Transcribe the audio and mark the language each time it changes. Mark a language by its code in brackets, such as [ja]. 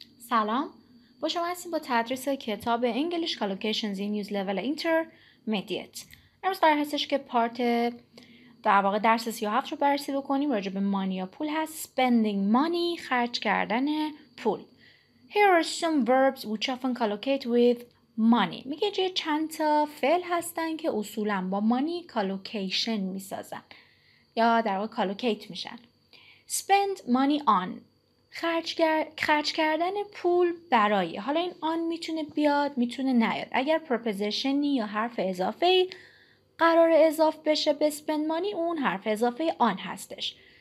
[fa] سلام، با شما هستیم با تدریس کتاب English Collocations in Use Level Intermediate. امروز قرار هستش که پارت در واقع درس 37 رو بررسی بکنیم. راجع به مانی یا پول هست. [en] Spending money، [fa] خرج کردن پول. [en] Here are some verbs which often collocate with money. [fa] میگه اینجا چند تا فعل هستن که اصولا با money collocation میسازن یا در واقع collocate میشن. [en] Spend money on، [fa] خرج کردن پول برای. حالا این آن میتونه بیاد میتونه نیاد. اگر پروپوزیشنی یا حرف اضافه قرار اضافه بشه به spend money، اون حرف اضافه آن هستش.